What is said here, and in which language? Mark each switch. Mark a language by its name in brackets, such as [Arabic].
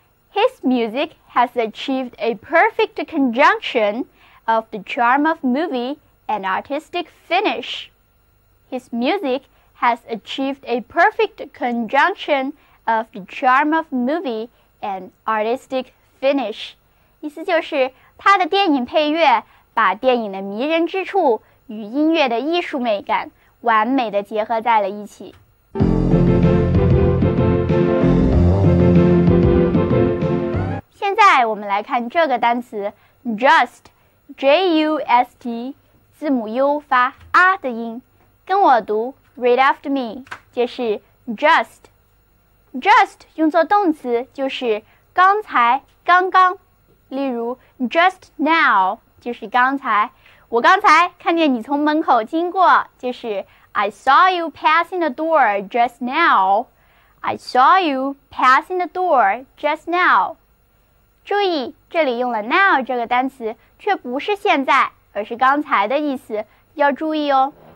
[English] His music has achieved a perfect conjunction of the charm of movie and artistic finish. His musicHas achieved a perfect conjunction of the charm of movie and artistic finish. [Chinese] 意思就是他的电影配乐把电影的迷人之处与音乐的艺术美感完美的结合在了一起。现在我们来看这个单词 just, J-U-S-T, 字母 U 发 啊 的音，跟我读。 [English] Read after me， [Chinese] 就是 just。Just 用作动词就是刚才、刚刚，例如 just now 就是刚才。我刚才看见你从门口经过，就是 [English] I saw you passing the door just now。 I saw you passing the door just now。 [Chinese] 注意这里用了 now 这个单词，却不是现在，而是刚才的意思，要注意哦。